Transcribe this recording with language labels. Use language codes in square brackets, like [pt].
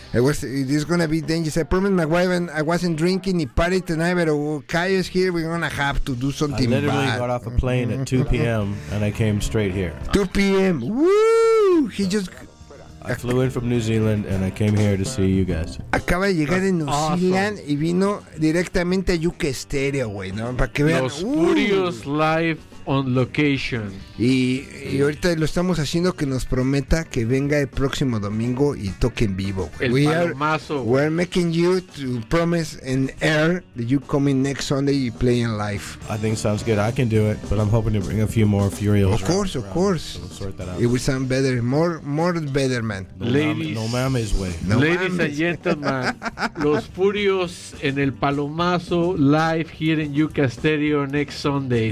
[en] It's gonna be dangerous. I promised my wife and I wasn't drinking ni party tonight, but Caio is here. We're gonna have to do something. I literally got off a plane at 2 p.m. and I came straight here. 2 p.m. Woo! I flew in from New Zealand and I came here to see you guys. [es] Acaba de llegar de New Zealand y vino directamente a Yuke Stereo, güey, ¿no? Para que vean. [en] Los Furios Live on location. [es] Y ahorita lo estamos haciendo que nos prometa que venga el próximo domingo y toque en vivo. El palomazo. [en] We're making you to promise in air that you coming next Sunday you playing live. I think sounds good. I can do it, but I'm hoping to bring a few more Furials. Of course. We'll sort that out. It will sound better, more better, man. Ladies and gentlemen, los Furios [es] en el palomazo [en] live here in Yucca Stereo next Sunday.